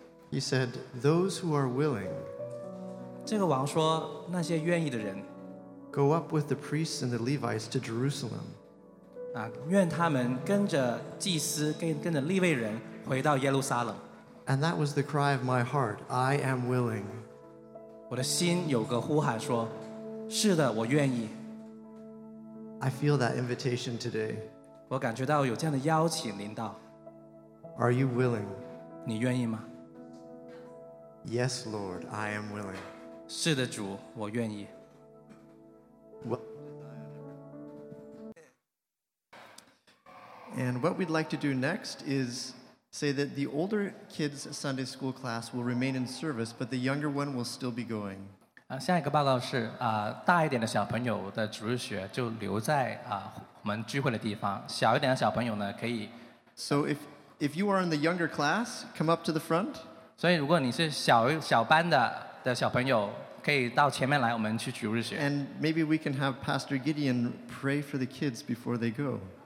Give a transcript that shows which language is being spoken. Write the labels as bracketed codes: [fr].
[en] He said, those who are willing, go up with the priests and the Levites to Jerusalem. And And that was the cry of my heart, I am willing. [zh] 我的心有个呼喊说，是的，我愿意。 [en] I feel that invitation today. [zh] 我感觉到有这样的邀请临到。 [en] Are you willing? [zh] 你愿意吗？ [en] Yes, Lord, I am willing. [zh] 是的，主，我愿意。 [en] And what we'd like to do next is say that the older kids' Sunday school class will remain in service, but the younger one will still be going. [zh] 下一个报告是大一点的小朋友的主日学就留在我们聚会的地方，小一点的小朋友呢可以。 [en] So if you are in the younger class, come up to the front. [zh] 所以如果你是小班的小朋友，可以到前面来，我们去主日学。 [en] And maybe we can have Pastor Gideon pray for the kids before they go.